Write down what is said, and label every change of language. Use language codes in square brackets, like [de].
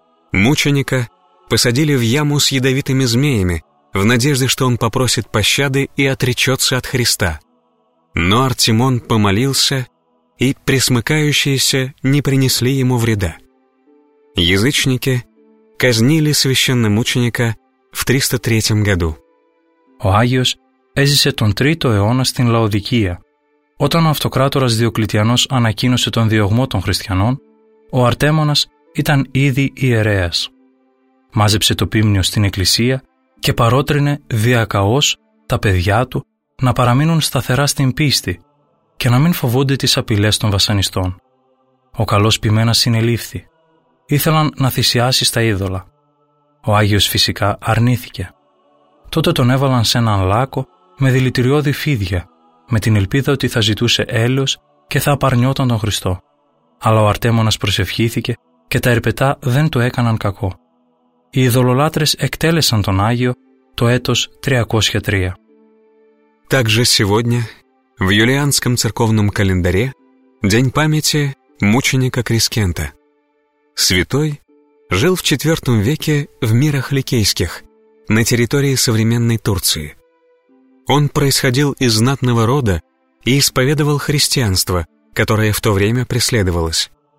[ru] Мученика посадили в яму с ядовитыми змеями в надежде, что он попросит пощады и отречется от Христа. Но Артемон помолился, и пресмыкающиеся не принесли ему вреда. Язычники казнили священномученика в 303 году. [el] Ο Άγιος έζησε τον 3ο αιώνα στην Λαοδικία. Όταν ο αυτοκράτορας Διοκλητιανός ανακοίνωσε τον διωγμό των χριστιανών, ο Αρτέμονας ήταν ήδη ιερέας. Μάζεψε το πίμνιο στην εκκλησία και παρότρινε διακαώς τα παιδιά του να παραμείνουν σταθερά στην πίστη και να μην φοβούνται τις απειλές των βασανιστών. Ο καλός ποιμένας συνελήφθη. Ήθελαν να θυσιάσει στα είδωλα. Ο Άγιος φυσικά αρνήθηκε. Τότε τον έβαλαν σε έναν λάκκο με δηλητηριώδη φίδια, με την ελπίδα ότι θα ζητούσε έλεος και θα απαρνιόταν τον Χριστό. Αλλά ο Αρτέμονας προσευχήθηκε και τα ερπετά δεν του έκαναν κακό. Οι ειδωλολάτρες εκτέλεσαν τον Άγιο το έτος 303. [ru] Также сегодня, в юлианском церковном календаре, день памяти мученика Крискента. Святой жил в IV веке в мирах Ликейских, на территории современной Турции. Он происходил из знатного рода и исповедовал христианство, которое в то время преследовалось.